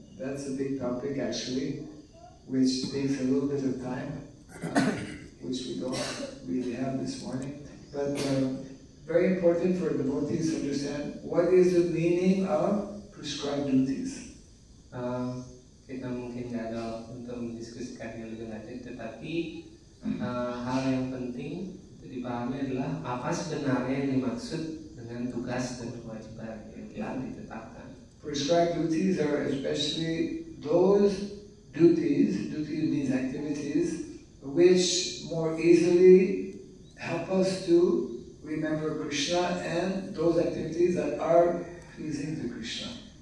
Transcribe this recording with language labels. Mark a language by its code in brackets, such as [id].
[en] That's a big topic actually, which takes a little bit of time, which we don't really have this morning. But very important for devotees to understand what is the meaning of prescribed duties. [id] Kita mungkin gagal untuk mendiskusikannya lebih lanjut, tetapi hal yang penting untuk dipahami adalah apa sebenarnya yang dimaksud dengan tugas dan kewajiban yang telah ditetapkan. [en] Prescribed duties are especially those duties, duties means activities, which more easily help us to remember Krishna and those activities that are pleasing to Krishna.